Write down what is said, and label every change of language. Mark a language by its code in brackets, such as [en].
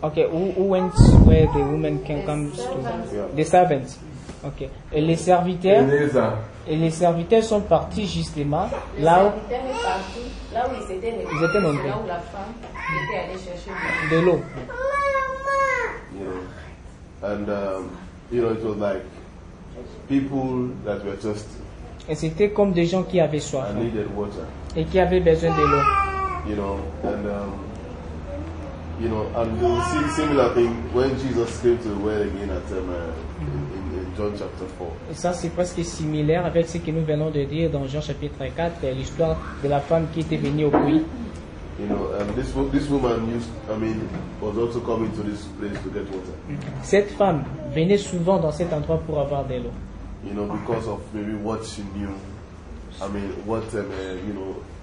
[en] Who went where the woman can come to? The servants. Okay. [fr] Et les serviteurs. Et les serviteurs sont partis justement là où. Là où ils étaient nombreux. Là où la femme était allée chercher de l'eau. [en] And you know, it was like people that were thirsty. [fr] Et c'était comme des gens qui avaient soif. [en] And needed water. [fr] Et qui avaient besoin de l'eau. [en] You know, and you see similar thing when Jesus came to the well again at in John chapter 4. [fr] Ça c'est presque similaire avec ce que nous venons de dire dans Jean chapitre 4, l'histoire de la femme qui était venue au puits. [en] You know, and this woman was also coming to this place to get water. [fr] Cette femme venait souvent dans cet endroit pour avoir de l'eau. [en] You know, because of maybe what she knew. I mean, what you know.